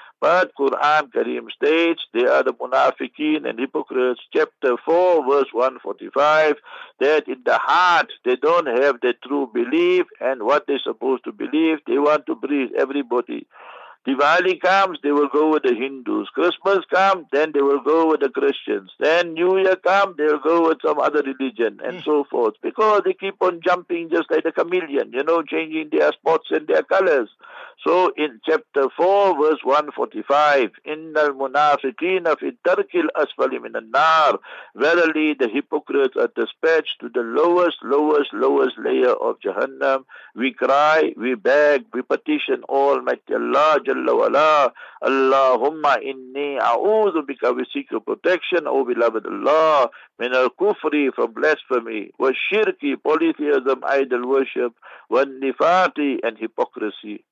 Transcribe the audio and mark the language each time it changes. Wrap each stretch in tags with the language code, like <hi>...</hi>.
<en>But Quran Kareem states, they are the munafiqeen and hypocrites, chapter 4, verse 145, that in the heart they don't have the true belief, and what they're supposed to believe, they want to please everybody. Diwali comes, they will go with the Hindus. Christmas comes, then they will go with the Christians. Then New Year comes, they will go with some other religion and so forth. Because they keep on jumping just like a chameleon, you know, changing their spots and their colors. So in chapter 4, verse 145,</en> <ar>إِنَّ الْمُنَافِقِينَ فِي تَرْكِ الْأَسْفَلِ مِنَ النَّارِ.</ar> <en>Verily, the hypocrites are dispatched to the lowest layer of Jahannam. We cry, we beg, we petition Almighty Allah, Jalla wala,</en> <ar>Allahumma inni a'udhu bika,</ar> <en>we seek your protection, O beloved Allah,</en> <ar>min al-kufri,</ar> <en>from blasphemy,</en> <ar>wa shirki,</ar> <en>polytheism, idol worship,</en> <ar>wa nifati,</ar> <en>and hypocrisy.</en>